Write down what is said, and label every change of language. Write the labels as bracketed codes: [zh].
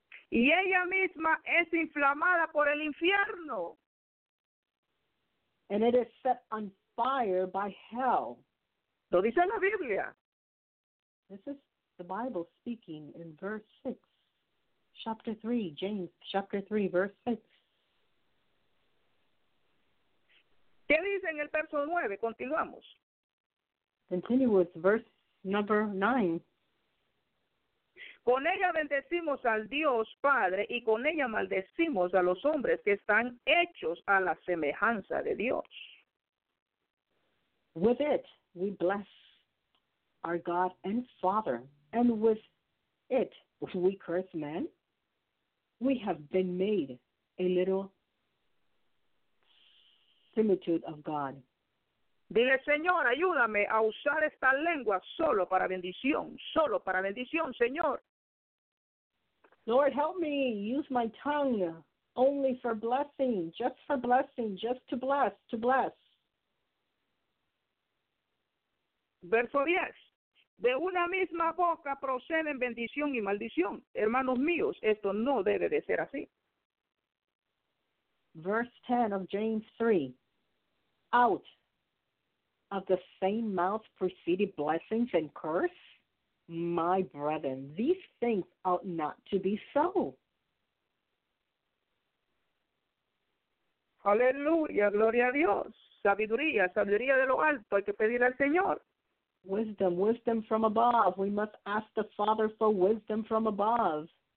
[es] Y ella misma es inflamada por el infierno. [en] And it is set on fire by hell. [es] Lo dice la Biblia. [en] This is the Bible speaking in verse 6, chapter 3, James chapter 3, verse 6. [es] ¿Qué dice en el verso 9? Continuamos. [en] Continue with verse number 9. [es] Con ella bendecimos al Dios Padre y con ella maldecimos a los hombres que están hechos a la semejanza de Dios. [en] With it we bless our God and Father, and with it we curse man. We have been made a little similitude of God. [es] Dile, Señor, ayúdame a usar esta lengua solo para bendición, Señor. [en] Lord, help me use my tongue only for blessing, just for blessing, just to bless. [es] Verso 10. De una misma boca proceden bendición y maldición. Hermanos míos, esto no debe de ser así. [en] Verse 10 of James 3. Out of the same mouth proceeded blessings and curse? My brethren, these things ought not to be so. [es] Aleluya, gloria a Dios. Sabiduría, sabiduría de lo alto, hay que pedir al Señor. [en] Wisdom, wisdom from above. We must ask the Father for wisdom from above.